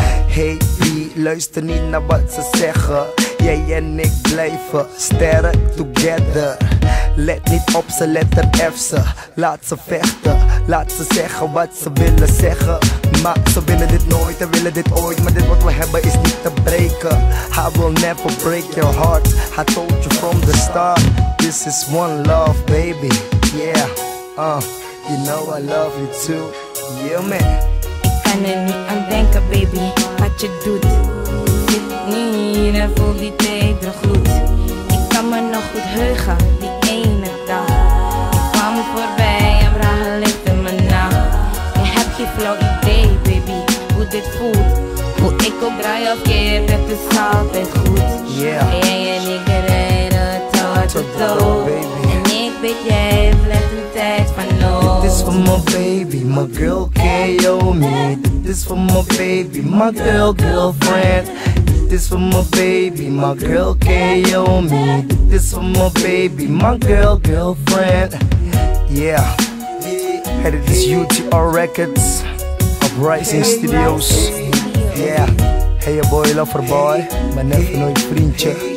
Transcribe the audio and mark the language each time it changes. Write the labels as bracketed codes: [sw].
[nl] Hey B, luister niet naar wat ze zeggen. Jij en ik blijven sterren together. Let niet op ze, let er F ze. Laat ze vechten, laat ze zeggen wat ze willen zeggen. Maar ze willen dit nooit en willen dit ooit. Maar dit wat we hebben is niet te breken. [en] I will never break your heart. I told you from the start. This is one love, baby. Yeah, you know I love you too. Yeah, man. [nl] Ik kan er niet aan denken, baby, wat je doet. Niet en voel die tedere gloed. Ik kan me nog goed heugen, die ene dag. Ik kwam voorbij en bracht een licht in mijn nacht. Je hebt geen flauw idee, baby, hoe dit voelt. Hoe ik ook draai of keer, het is altijd goed. Jij en ik rijden tot de dood. En ik weet jij blijft een tijd van nood. Dit is voor mijn baby, mijn girl Kayomi. Dit is voor mijn baby, mijn girl girlfriend. [en] This is for my baby, my girl Kayomi. This is for my baby, my girl girlfriend. Yeah, and it is UTR Records of Rising Studios. Yeah, hey boy, lover boy, my never [nl] nooit vriendje.